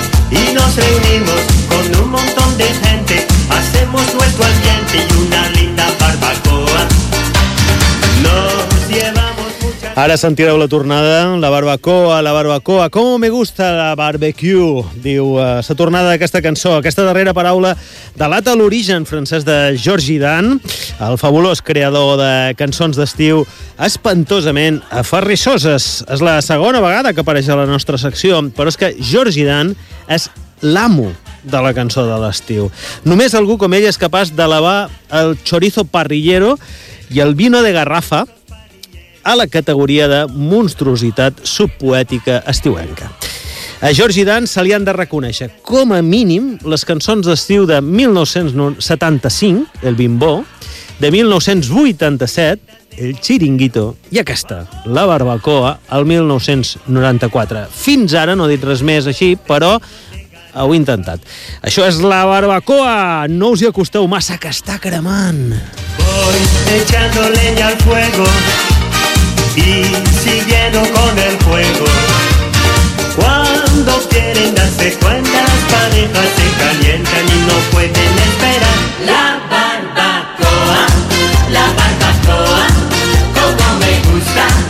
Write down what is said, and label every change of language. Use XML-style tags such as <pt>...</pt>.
<es>Y nos reunimos con un montón de gente, hacemos nuestro ambiente y una linda barbacoa. Nos llevamos mucha...</es> <ca>Ara sentireu la tornada, la barbacoa, la barbacoa.</ca> <es>¿Cómo me gusta la barbecue?</es> <ca>Diu la tornada d'aquesta cançó, aquesta darrera paraula de l'Ata l'origen francès de Georgie Dan, el fabulós creador de cançons d'estiu espantosament aferrissoses. És la segona vegada que apareix a la nostra secció, però és que Georgie Dan és l'amo de la cançó de l'estiu. Només algú com ell és capaç d'elevar el chorizo parrillero i el vino de garrafa a la categoria de monstruositat subpoètica estiuenca. A Georgie Dan se li han de reconèixer, com a mínim, les cançons d'estiu de 1975, El Bimbo, de 1987, El Chiringuito, i aquesta, La Barbacoa, el 1994. Fins ara no he dit res més així, però ho he intentat. Això és La Barbacoa! No us hi acosteu massa, que està cremant!</ca> <es>Voy echando leña al fuego y siguiendo con el juego. Cuando quieren darse cuenta, las parejas se calientan y no pueden esperar. La barbacoa, la barbacoa, como me gusta.</es>